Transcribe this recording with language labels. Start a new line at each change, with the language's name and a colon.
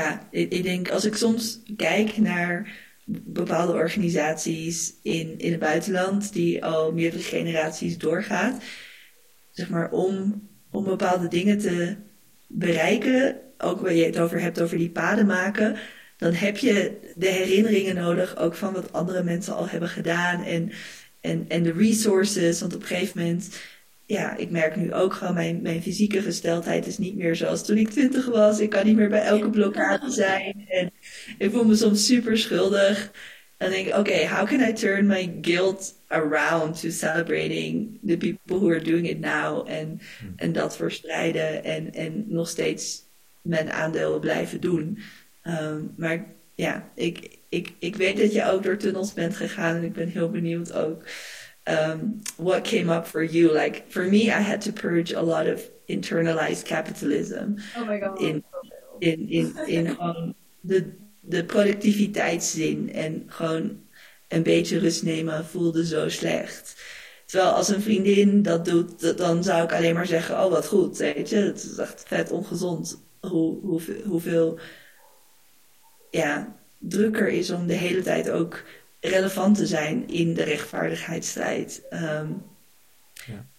Dutch: Ik denk als ik soms kijk naar bepaalde organisaties in het buitenland die al meerdere generaties doorgaat, zeg maar om bepaalde dingen te bereiken, ook waar je het over hebt, over die paden maken, dan heb je de herinneringen nodig ook van wat andere mensen al hebben gedaan en de resources, want op een gegeven moment, ja, ik merk nu ook gewoon, mijn fysieke gesteldheid is niet meer zoals toen ik 20 was. Ik kan niet meer bij elke blokkade zijn. En ik voel me soms super schuldig. Dan denk ik, oké,
English: how can I turn my guilt around to celebrating the people who are doing it now?
Dutch: En dat verspreiden en nog steeds mijn aandeel blijven doen. Maar ja, ik weet dat je ook door tunnels bent gegaan en ik ben heel benieuwd ook.
English: What came up for you? Like, for me, I had to purge a lot of internalized capitalism.
Dutch: In de productiviteitszin en gewoon een beetje rust nemen voelde zo slecht. Terwijl als een vriendin dat doet, dan zou ik alleen maar zeggen, oh wat goed, weet je, het is echt vet ongezond hoeveel ja, drukker is om de hele tijd ook relevant te zijn in de rechtvaardigheidsstrijd. Ja.